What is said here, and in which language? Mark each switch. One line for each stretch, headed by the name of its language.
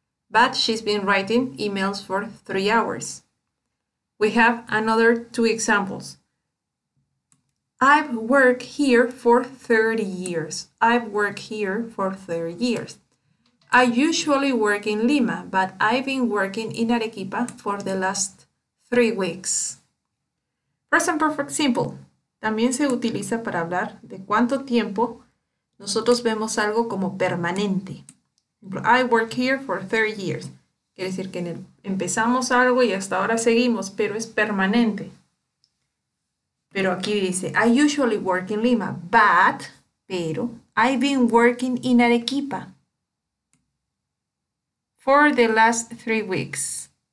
English: But she's been writing emails for 3 hours. We have another two examples. I've worked here for 30 years. I've worked here for 30 years. I usually work in Lima, but I've been working in Arequipa for the last 3 weeks. Present perfect simple.
Spanish: También se utiliza para hablar de cuánto tiempo nosotros vemos algo como permanente.
English: I work here for 30 years.
Spanish: Quiere decir que empezamos algo y hasta ahora seguimos, pero es permanente. Pero aquí dice,
English: I usually work in Lima, but,
Spanish: pero,
English: I've been working in Arequipa for the last 3 weeks.